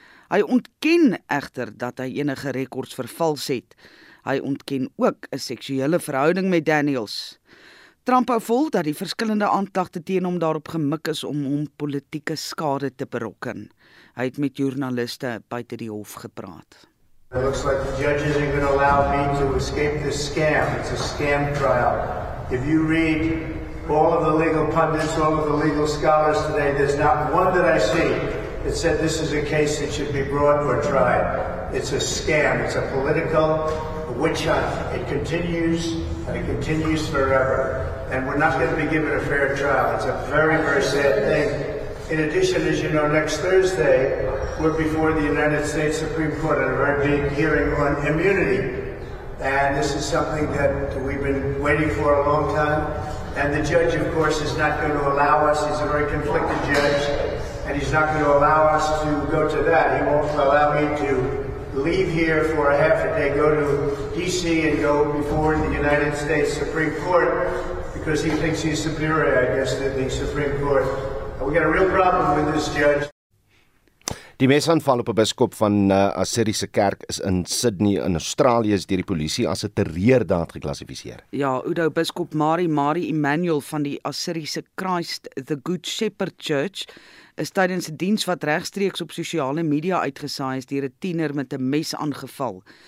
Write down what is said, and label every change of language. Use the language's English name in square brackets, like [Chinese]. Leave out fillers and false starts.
[Afrikaans] Hy ontken egter dat hy enige rekords vervals het. Hy ontken ook 'n seksuele verhouding met Daniels. Trump hou vol dat die verskillende aanklagte teen hom daarop gemik is om hom politieke skade te berokken. Hy het met joernaliste buite die hof gepraat. [English] It looks like the judge isn't going to allow me to escape this scam. It's a scam trial. If you read all of the legal pundits, all of the legal scholars today, there's not one that I see that said this is a case that should be brought or tried. It's a scam. It's a political witch hunt. It continues, and it continues forever. And we're not going to be given a fair trial. It's a very, very sad thing. In addition, as you know, next Thursday, we're before the United States Supreme Court at a very big hearing on immunity. And this is something that we've been waiting for a long time. And the judge, of course, is not going to allow us. He's a very conflicted judge. And he's not going to allow us to go to that. He won't allow me to leave here for a half a day, go to D.C. and go before the United States Supreme Court because he thinks he's superior, I guess, to the Supreme Court. We got a real problem with this judge. [Afrikaans] Die mesaanval op 'n biskop van Assyriese kerk is in Sydney in Australië is deur die polisie as 'n terreurdaad geklassifiseer. Ja, Udo biskop Mari Emmanuel van die Assyriese Christ the Good Shepherd Church is tydens 'n diens wat regstreeks op sosiale media uitgesaai is deur 'n tiener met 'n mes aangeval.